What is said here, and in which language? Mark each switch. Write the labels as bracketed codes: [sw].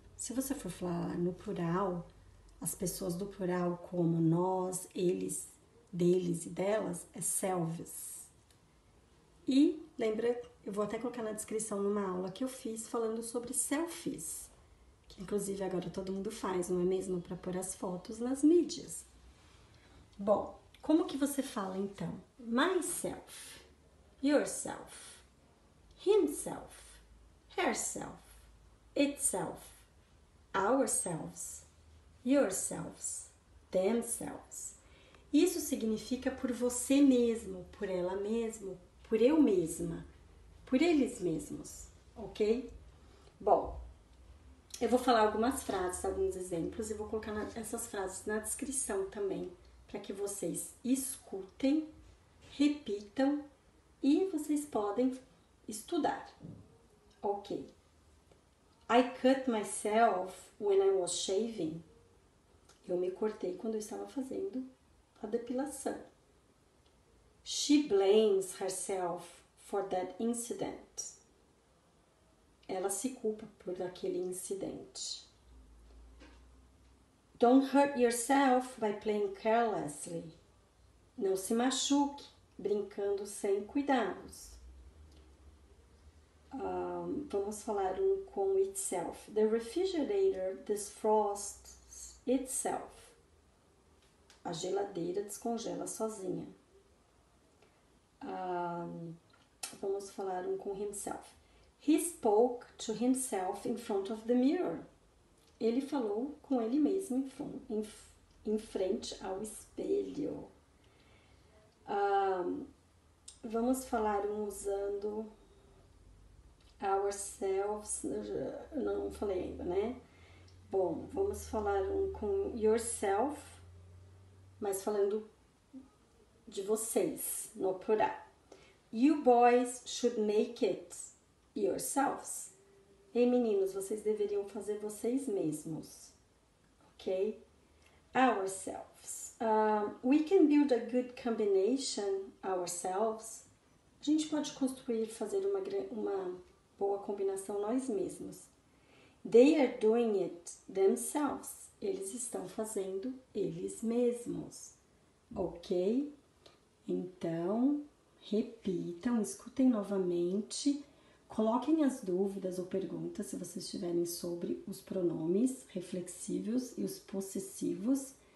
[pt] Se você for falar no plural, as pessoas do plural como nós, eles, deles e delas, é selves. E lembra, eu vou até colocar na descrição numa aula que eu fiz falando sobre selfies, que inclusive agora todo mundo faz, não é mesmo? Para pôr as fotos nas mídias. Bom, como que você fala então? [en] Myself, yourself, himself, herself, itself, ourselves, yourselves, themselves. [pt] Isso significa por você mesmo, por ela mesma, por eu mesma, por eles mesmos, ok? Bom, eu vou falar algumas frases, alguns exemplos, e vou colocar essas frases na descrição também. Para que vocês escutem, repitam e vocês podem estudar. Ok. [en] I cut myself when I was shaving. [pt] Eu me cortei quando eu estava fazendo a depilação. [en] She blames herself for that incident. [pt] Ela se culpa por aquele incidente. [en] Don't hurt yourself by playing carelessly. [pt] Não se machuque brincando sem cuidados. Vamos falar um com itself. [en] The refrigerator defrosts itself. [pt] A geladeira descongela sozinha. Vamos falar um com himself. [en] He spoke to himself in front of the mirror. [pt] Ele falou com ele mesmo em frente ao espelho. Vamos falar usando ourselves. Não falei ainda, né? Bom, vamos falar com yourself, mas falando de vocês no plural. [en] You boys should make it yourselves. [pt] Ei, meninos, vocês deveriam fazer vocês mesmos, ok? [en] Ourselves. We can build a good combination ourselves. [pt] A gente pode construir, fazer uma boa combinação nós mesmos. [en] They are doing it themselves. [pt] Eles estão fazendo eles mesmos, ok? Então, repitam, escutem novamente. Coloquem as dúvidas ou perguntas, se vocês tiverem, sobre os pronomes reflexivos e os possessivos.